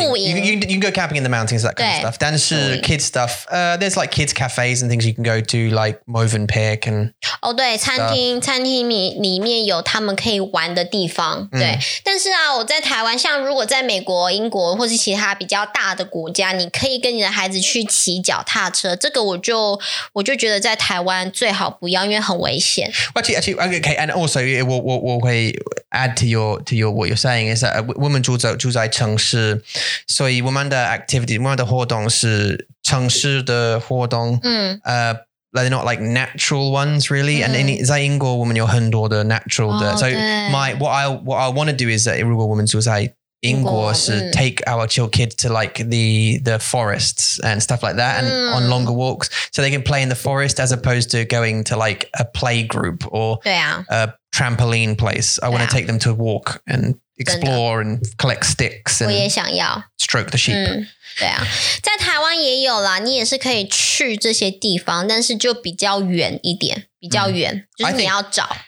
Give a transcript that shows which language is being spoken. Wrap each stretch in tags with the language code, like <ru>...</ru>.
<en>You can go camping in the mountains, that kind of stuff.</en> <zh>但是</zh> <en>kids stuff. There's like kids cafes and things you can go to, like Mövenpick and.</en> <zh>Oh, 对，餐厅餐厅里面有他们可以玩的地方。对，但是啊，我在台湾，像如果在美国、英国或是其他比较大的国家，你可以跟你的孩子去骑脚踏车。这个我就觉得在台湾最好不要，因为很危险。</zh> <en>Actually, okay, and also,</en> <zh>我会</zh> <en>add to your what you're saying is that</en> <zh>我们住在城市。所以我们的</zh> <en>activity,</en> <zh>我们的活动是城市的活动。</zh> <en>They're not like natural ones, really. And in</en> <zh>在英国我们有很多的 natural 的。</zh> <en>Oh, so what I want to do is that</en> <zh>如果我们住在英国是</zh> <en>take our kids to like the forests and stuff like that and on longer walks so they can play in the forest as opposed to going to like a play group or a trampoline place. I want to take them to walk and explore and collect sticks and stroke the sheep.</en> <zh>对啊，在台湾也有啦，你也是可以去这些地方，但是就比较远一点，比较远，就是你要找。</zh>